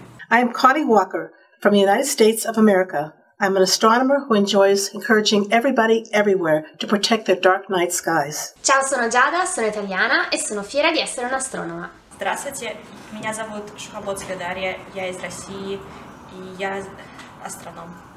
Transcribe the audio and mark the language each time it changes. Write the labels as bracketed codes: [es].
[en] I am Connie Walker from the United States of America. I'm an astronomer who enjoys encouraging everybody everywhere to protect their dark night skies. [it] Ciao, sono Giada, sono italiana e sono fiera di essere un'astronoma. [ru] Здравствуйте, меня зовут Шхабоцкая Дарья, я из России и я астроном.